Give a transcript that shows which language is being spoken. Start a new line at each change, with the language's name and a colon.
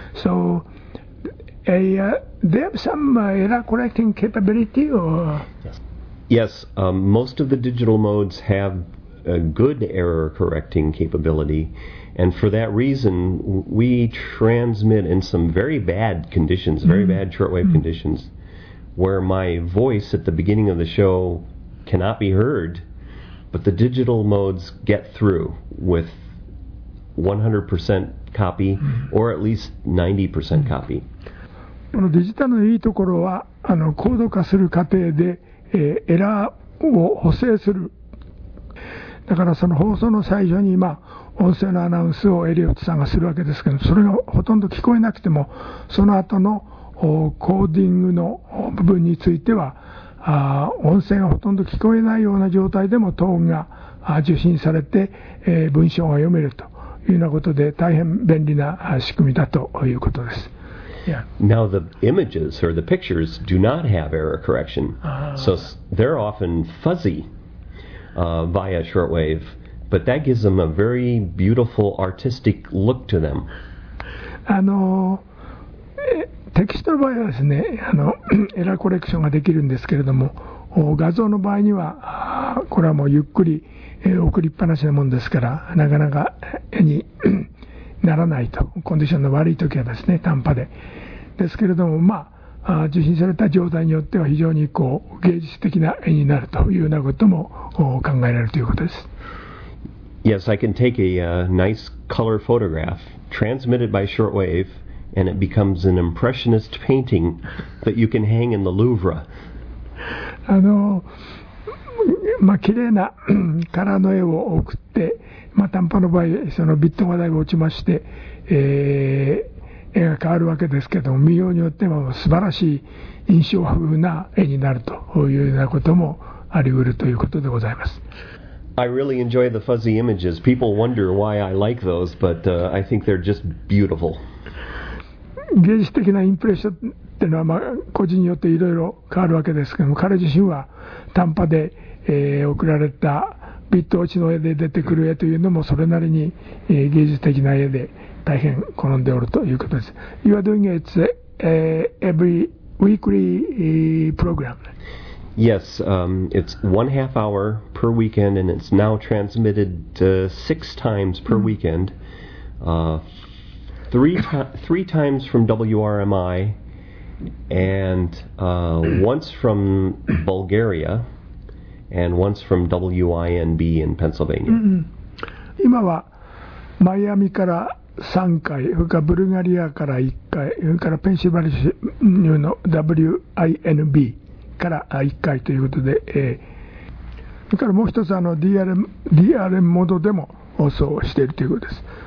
English: So, they have some error correcting capability or? Yes, most of the digital modes have a good error correcting capability. And for that reason, we transmit in some very bad conditions, very bad shortwave conditions, where my voice at the beginning of the show cannot be heard, but the digital modes get through with 100% copy, or at least 90% copy.
Japanese: このデジタルのいいところは、あの、高度化する過程で、エラーを補正する。だからその放送の最初に今、音声のアナウンスをエリオットさんがするわけですけど、それがほとんど聞こえなくても、その後のコーディングの部分については、音声がほとんど聞こえないような状態でもトーンが受信されて、文章が読めるというようなことで大変便利な仕組みだということです。
English: Yeah. Now the images or the pictures do not have error correction, so they're often fuzzy via shortwave, but that gives them a very beautiful artistic look to them.
Japanese: テキストの場合はですね、あのエラーコレクションができるんですけれども、画像の場合にはこれはもうゆっくり、送りっぱなしなもんですから、なかなか絵にならないと、コンディションの悪い時はですね、短波で。ですけれども、まあ、受信された状態によっては非常にこう芸術的な絵になるというようなことも考えられるということです。
English: Yes, I can take a nice color photograph transmitted by shortwave. And it becomes an impressionist painting that you can hang in the Louvre.
Japanese: あの、まあ綺麗なカラーの絵を送って、まあ短波の場合そのビットがだいぶ落ちまして、絵が変わるわけですけども、見ようによっては素晴らしい印象風な絵になるというようなこともあり得るということでございます。
English: I really enjoy the fuzzy images. People wonder why I like those, but I think they're just beautiful.
Japanese: 芸術的なインプレッションっていうのは、まあ、個人によっていろいろ変わるわけですけども、彼自身は短波で、送られたビット落ちの絵で出てくる絵というのもそれなりに、芸術的な絵で大変好んでおるということです。
English: You are doing it every weekly program. Yes,、it's one half hour per weekend and it's now transmitted、six times per weekend.、Three times from WRMI and once from Bulgaria and once from WINB in Pennsylvania.
Japanese: 今はマイアミから3回、それからブルガリアから1回、それからペンシルバニア州の WINB から1回ということで、それからもう一つあの DRM モードでも放送しているということです。